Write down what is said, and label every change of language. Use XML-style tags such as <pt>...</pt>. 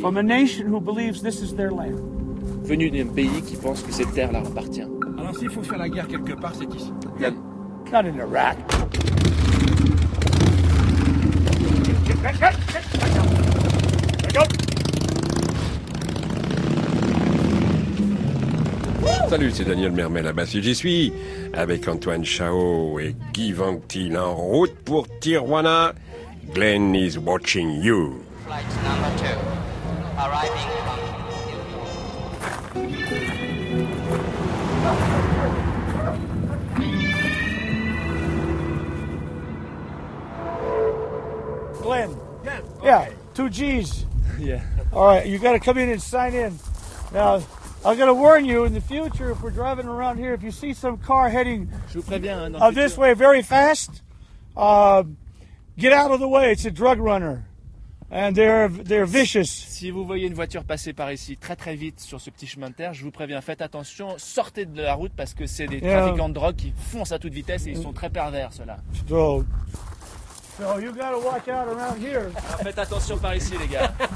<en>From a nation who believes this is their land.</en> <fr>Venu d'un pays qui pense que cette terre leur appartient. Alors s'il faut faire la guerre quelque part, c'est ici.</fr> <en>Not in Iraq.</en> <fr>Salut, c'est Daniel Mermel à Bassi, j'y suis avec Antoine Chao et Guy Vanctil en route pour Tijuana.</fr> <en>Glenn is watching you. Flight number 2, arriving from... Glenn. Yeah. Okay. Yeah. 2 G's. Yeah. All right. You got to come in and sign in. Now, I'm gonna warn you in the future if we're driving around here. If you see some car heading this way very fast, get out of the way. It's a drug runner. And they're vicious.</en> <fr>Si vous voyez une voiture passer par ici très très vite sur ce petit chemin de terre, je vous préviens, faites attention, sortez de la route parce que c'est des trafiquants de drogue qui foncent à toute vitesse et ils sont très pervers ceux-là.</fr> <en>So you gotta watch out around here.</en> <fr>Alors faites attention par ici les gars.</fr>